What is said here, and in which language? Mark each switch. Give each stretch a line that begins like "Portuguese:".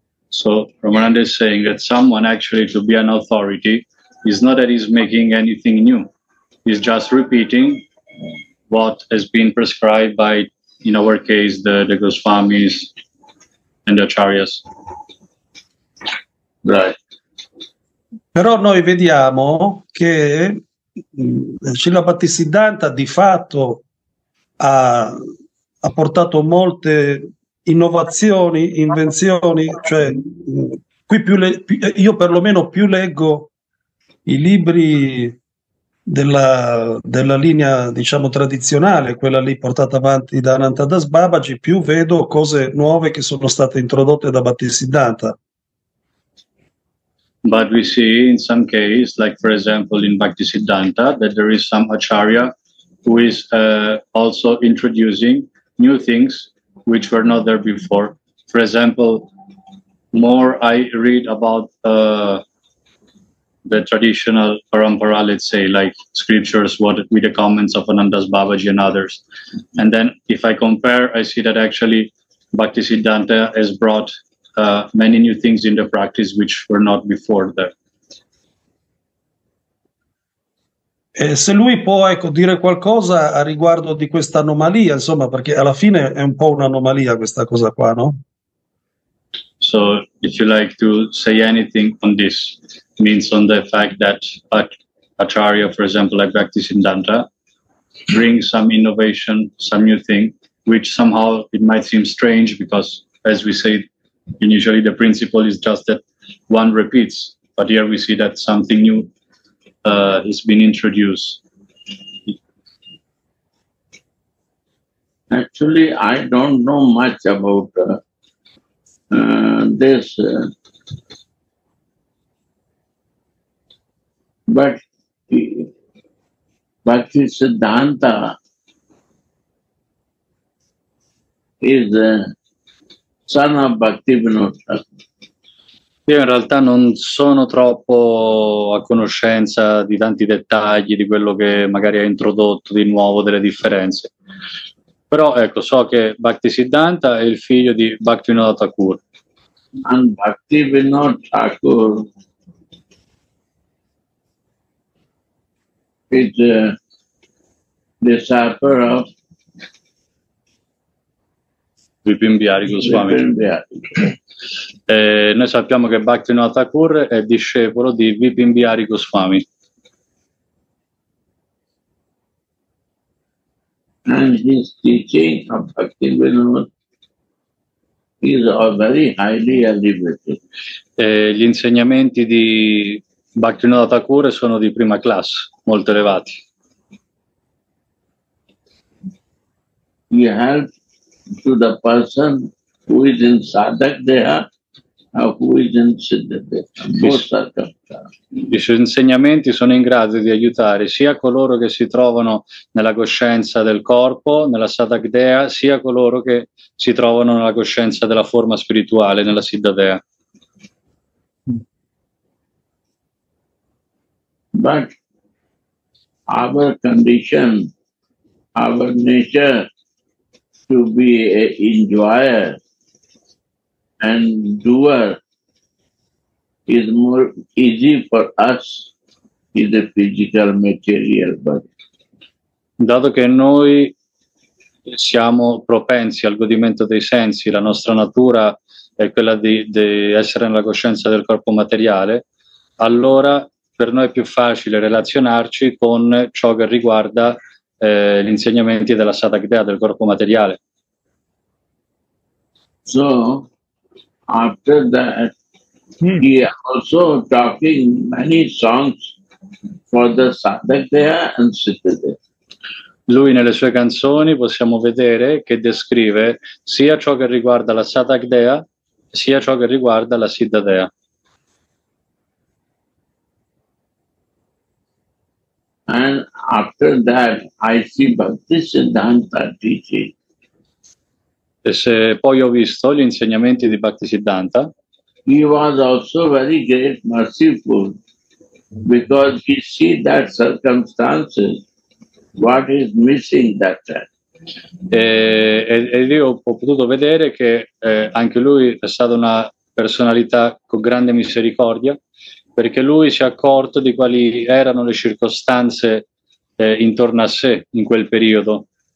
English: So Ramananda is saying that someone actually to be an authority is not that he's making anything new. He's just repeating what has been prescribed by, in our case, the Goswamis and the Acharyas. Right.
Italian: Però noi vediamo che Srila Bhaktisiddhanta di fatto ha portato molte innovazioni, invenzioni, cioè io perlomeno più leggo i libri della linea, diciamo, tradizionale, quella lì portata avanti da Ananta Das Babaji, più vedo cose nuove che sono state introdotte da Bhaktisiddhanta.
English: But we see in some case, like for example in Bhaktisiddhanta, that there is some acharya who is also introducing new things which were not there before. For example, more I read about the traditional parampara, let's say, like scriptures, what with the comments of Anandas Babaji and others. And then if I compare, I see that actually Bhaktisiddhanta has brought many new things in the practice which were not before there.
Italian: Se lui può, ecco, dire qualcosa a riguardo di questa anomalia, insomma, perché alla fine è un po' un'anomalia questa cosa qua, no?
English: So if you like to say anything on this, means on the fact that Acharya, for example, like Bhaktisiddhanta, bring some innovation, some new thing, which somehow it might seem strange because as we say, initially the principle is just that one repeats, but here we see that something new has been introduced. Actually, I don't know much about this, but Bhaktisiddhanta is the son of Bhaktivinoda.
Italian: Io in realtà non sono troppo a conoscenza di tanti dettagli di quello che magari ha introdotto di nuovo, delle differenze. Però ecco, so che Bhaktisiddhanta è il figlio di Bhaktivinoda Thakur.
English: And Bhaktivinoda Thakur is a disciple of Bipin Bihari Goswami. Bipin Bihari.
Italian: Noi sappiamo che Bhaktivinoda Thakur è discepolo di Bipin Bihari Goswami.
English: And his teaching of Bhaktivinoda is a very highly elevated.
Italian: Gli insegnamenti di Bhaktivinoda Thakur sono di prima classe, molto elevati.
English: we help to the person who is in sadhak deha or who is in siddha deha, both circumstances.
Italian: I suoi insegnamenti sono in grado di aiutare sia coloro che si trovano nella coscienza del corpo, nella sadhak deha, sia coloro che si trovano nella coscienza della forma spirituale, nella siddha deha.
English: But our condition, our nature to be an enjoyer and doer is more easy for us in the physical material body.
Italian: Dato che noi siamo propensi al godimento dei sensi, la nostra natura è quella di essere nella coscienza del corpo materiale, allora per noi è più facile relazionarci con ciò che riguarda gli insegnamenti della Sadhak Deha, del corpo materiale.
English: So, after that, he also talking many songs for the Sadhak Deha and Siddha Deha.
Italian: Lui nelle sue canzoni possiamo vedere che descrive sia ciò che riguarda la Sadhak Deha, sia ciò che riguarda la Siddha Deha.
English: And after that, I see Bhaktisiddhanta teaching.
Italian: E se poi ho visto gli insegnamenti di Bhaktisiddhanta.
English: He was also very great, merciful, because he see that circumstances, what is missing that time.
Italian: E io ho potuto vedere che anche lui è stata una personalità con grande misericordia, perché lui si è accorto di quali erano le circostanze intorno a sé in quel periodo.